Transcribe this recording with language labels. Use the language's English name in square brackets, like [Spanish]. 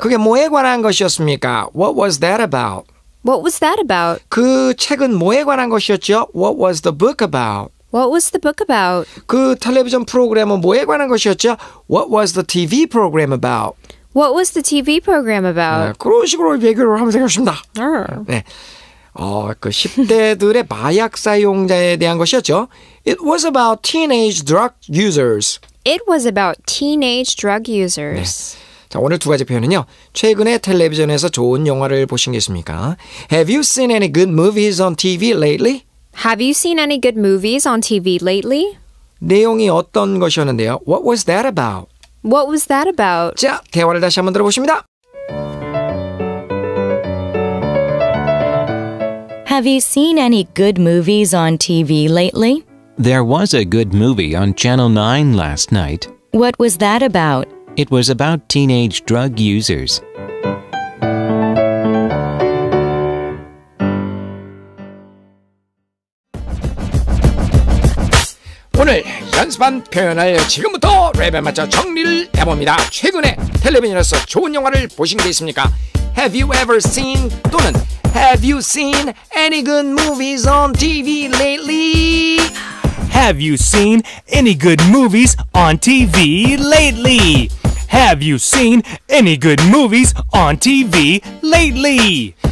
[Korean] 그게 뭐에 관한 것이었습니까? [English] What was that about? What was that about? [Korean] 그 책은 뭐에 관한 것이었죠? [English] What was the book about? What was the book about? [Korean] 그 텔레비전 프로그램은 뭐에 관한 것이었죠? [English] What was the TV program about? What was the TV program about? [Korean] 네, 그런 식으로 얘기를 한번 생각하십니다. 네. 그 10대들의 마약 사용자에 대한 것이었죠. [English] It was about teenage drug users. It was about teenage drug users. [Korean] 네. 자, 오늘 두 가지 표현은요. 최근에 텔레비전에서 좋은 영화를 보신 게 있습니까? [English] Have you seen any good movies on TV lately? Have you seen any good movies on TV lately? [Korean] 내용이 어떤 것이었는데요? [English] What was that about? What was that about? [Korean] 자, 대화를 다시 한번 들어보십니다. [English] Have you seen any good movies on TV lately? There was a good movie on Channel 9 last night. What was that about? It was about teenage drug users. [Korean] 오늘 연습한 표현을 지금부터 랩에 맞춰 정리를 해봅니다. 최근에 텔레비전에서 좋은 영화를 보신 게 있습니까? [English] Have you ever seen 또는 Have you seen any good movies on TV lately? Have you seen any good movies on TV lately? Have you seen any good movies on TV lately?